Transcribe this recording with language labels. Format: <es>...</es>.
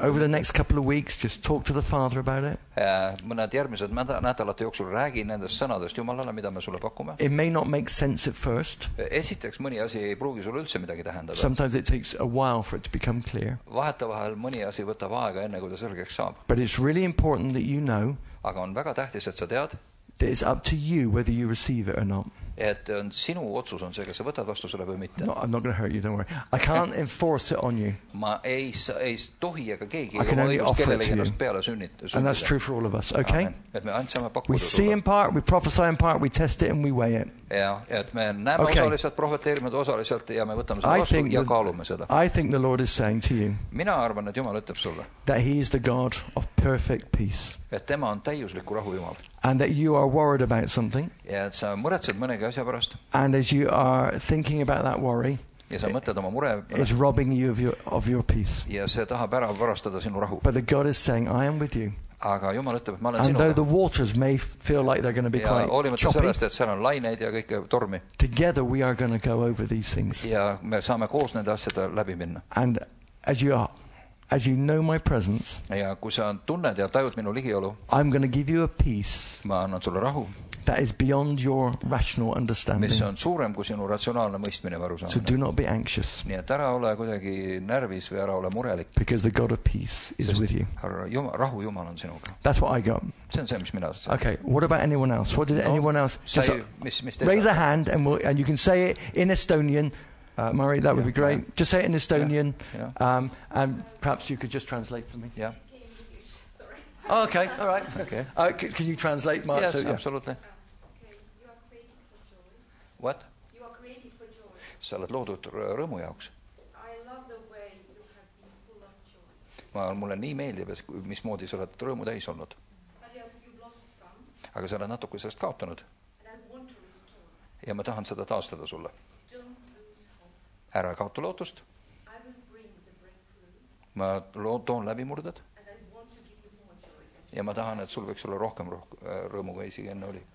<en>Over the next couple of weeks, just talk to the Father about it.</en> <et>Mõned järgmised nädalate jooksul räägi nendest sõnadest Jumalale, mida me sulle pakume.</et> <en>It may not make sense at first.</en> <et>Esiteks mõni asi ei pruugi sulle üldse midagi tähendada.</et> <en>Sometimes it takes a while for it to become clear.</en> <et>Vahetavahel mõni asi võtab aega enne, kui ta selgeks saab.</et> <en>But it's really important that you know.</en> <et>Aga on väga tähtis, et sa tead.</et> <en>That it's up to you whether you receive it or not.</en> <et>Et on sinu otsus on see, kas sa võtad vastu selle või mitte.</et> <en>No, I'm not going to hurt you, don't worry. I can't enforce it on you.</en> <et>Ma ei tohi, aga keegi ei ole õigus kellelegi ennast peale sünnitada.</et> <en>And that's true for all of us, okay?</en> <et>Et me ainult saame pakkuda.</et> <en>We see in part, we prophesy in part, we test it and we weigh it.</en> <et>Ja, et me näeme osaliselt, profeteerime osaliselt ja me võtame selle vastu ja kaalume seda.</et> <en>I think the Lord is saying to you.</en> <et>Mina arvan, et Jumal ütleb sulle.</et> <en>That he is the God of perfect peace.</en> <et>Et tema on täiusliku rahu Jumal.</et> <en>And that you are worried about something.</en> <et>Ja et sa muretsed mõnegi asja pärast.</et> <en>And as you are thinking about that worry,</en> <et>ja sa mõtled oma mure,</et> <en>is robbing you of your peace.</en> <et>Ja see tahab ära varastada sinu rahu.</et> <en>But the God is saying, I am with you.</en> <et>aga Jumal ütleb, et ma olen</et> <en>and</en> <et>sinuga.</et> <en>Though the waters may feel like they're going to be</en> <et>ja</et> <en>quite</en> <et>olimata</et> <en>choppy,</en> <et>sellest, et seal on laineid ja kõike tormi.</et> <en>Together we are going to go over these things.</en> <et>Ja me saame koos nende asjade läbi minna.</et> <en>And as you know my presence,</en> <et>ja kui sa tunned ja tajud minu ligiolu,</et> <en>I'm going to give you a peace.</en> <et>Ma annan sulle rahu.</et> <en>That is beyond your rational understanding.</en> <et>Mis on suurem kui sinu ratsionaalne mõistmine varu saanud.</et> <en>So do not be anxious.</en> <et>Nii et ära ole kuidagi närvis või ära ole murelik.</et> <en>Because the God of peace is with you.</en> <et>Rahu Jumal on sinuga.</et> <en>That's what I got.</en> <et>See on see, mis mina saan.</et> <en>Okay, what about anyone else? What did anyone else? Just raise a hand and you can say it in Estonian. Murray, that would be great. Yeah. Just say it in Estonian. Yeah. And perhaps you could just translate for me. Yeah. Oh, okay, all right. Okay. Can you translate, Mark? Yes, so, yeah. Absolutely. Okay, you are created for joy. What? You are created for joy.</en> <et>Sa oled loodud rõõmu jaoks.</et> <en>I love the way you have been full of joy.</en> <et>Mulle nii meeldib, mis moodi sa oled rõõmu täis olnud.</et> <en>But you've lost some.</en> <et>Aga sa oled natuke sellest kaotanud.</et> <en>And I want to restore.</en> <et>Ja ma tahan seda taastada sulle.</et> <en>Don't lose hope.</en> <et>Ära kaotu lootust.</et> <en>I will bring the breakthrough.</en> <et>Ma toon läbi murded. Ja ma tahan, et sul võiks olla rohkem rõõmu kui isegi enne oli.</et>